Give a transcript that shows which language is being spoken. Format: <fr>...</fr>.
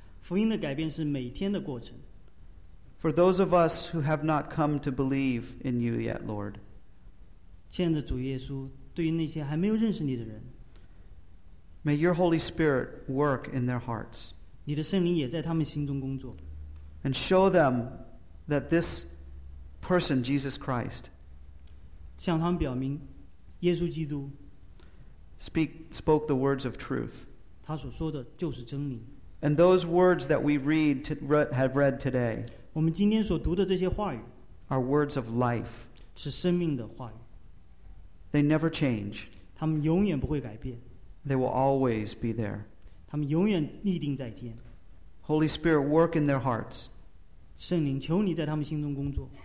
<zh>福音的改变是每天的过程。</zh> <en>For those of us who have not come to believe in you yet, Lord.</en> <zh>亲爱的主耶稣，对于那些还没有认识你的人，</zh> <en>May your Holy Spirit work in their hearts.</en> <zh>你的圣灵也在他们心中工作。</zh> <en>And show them that this person, Jesus Christ,</en> <zh>向他们表明耶稣基督</zh> <en>spoke the words of truth.</en> <zh>他所说的就是真理。</zh> <en>And those words that we have read today,</en> <zh>我们今天所读的这些话语</zh> <en>are words of life.</en> <zh>是生命的话语。</zh> <en>They never change.</en> <zh>他们永远不会改变。</zh> <en>They will always be there.</en> <zh>他们永远立定在天。</zh> <en>Holy Spirit, work in their hearts.</en> <zh>圣灵，求你在他们心中工作。</zh>